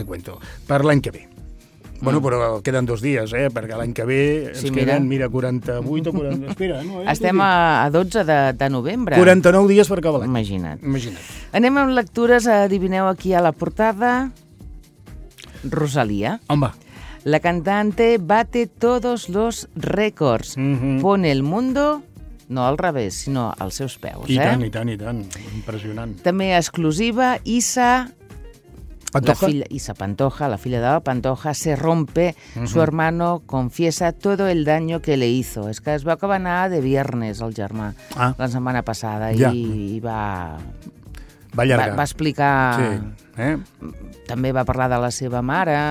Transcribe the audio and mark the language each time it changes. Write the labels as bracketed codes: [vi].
[ca] de cuento, per l'any que ve. Bueno, però queden dos dies, perquè l'any que ve queden 48 o 40... Espera, no, Estem a 12 de novembre. 49 dies per acabar l'any. Imagina't. Anem amb lectures, adivineu aquí a la portada. Rosalía. On va? [es] La cantante bate todos los récords. Pone el mundo, no al revés, [ca] sinó als seus peus. I tant. Impressionant. També exclusiva, Isa... Pantoja. La filla, Isa Pantoja, la filla de la Pantoja, [es] se rompe, su hermano confiesa todo el daño que le hizo. [ca] És que es veu que va anar de viernes el germà la setmana passada i va llargar. Va explicar... Sí. També va parlar de la seva mare.